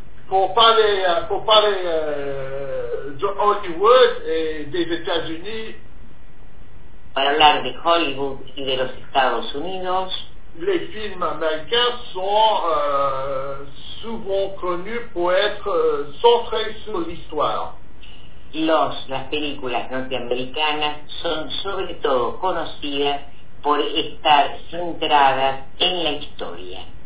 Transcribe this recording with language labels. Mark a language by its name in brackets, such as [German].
[French] Pour parler de Hollywood et des États-Unis. [Spanish] Para hablar de Hollywood y de los Estados Unidos. [French] Les films américains sont souvent connus pour être centrés sur l'histoire. [Spanish] Las películas norteamericanas son sobre todo conocidas por estar centradas en la historia.